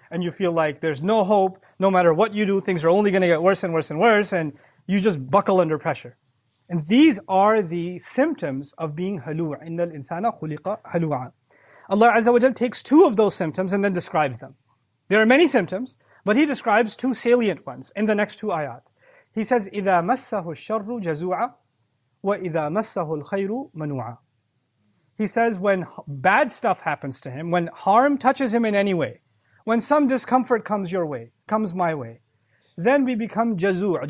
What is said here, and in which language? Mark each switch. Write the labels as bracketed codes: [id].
[en] And you feel like there's no hope. No matter what you do, things are only going to get worse and worse and worse. And you just buckle under pressure. And these are the symptoms of being halu'a. [ar] إِنَّ الْإِنسَانَ خُلِقَ حَلُوعًا. [en] Allah Azza wa Jal takes two of those symptoms and then describes them. There are many symptoms, but he describes two salient ones in the next two ayat. He says, [ar] إِذَا مَسَّهُ الشَّرُّ جَزُوعًا وَإِذَا مَسَّهُ الْخَيْرُ مَنُوعًا. [en] He says when bad stuff happens to him, when harm touches him in any way, when some discomfort comes your way, comes my way, then we become jazu'.